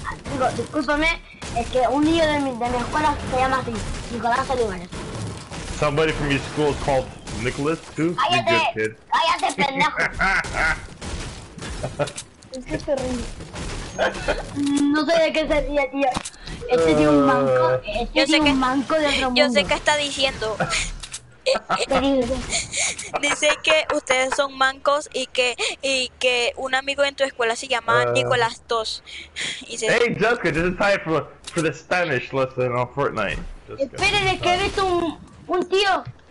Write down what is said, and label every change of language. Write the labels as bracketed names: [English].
[Spanish] Digo, discúlpame, es que un niño de mi escuela se llama así, Nicolás Olivares. [English] Somebody from your school is called Nicholas too? [Spanish] Cállate, [English] good kid. [Spanish] Cállate, pendejo. No sé de qué sería, tío. Este tiene un manco. Este tiene un manco de otro mundo. Yo sé qué está diciendo. Dice que ustedes son mancos y que un amigo en tu escuela se llama Nicolás Tos. [English] Hey, Jessica, this is time for the Spanish lesson on Fortnite. [Spanish] Esperen, es que he visto un tío.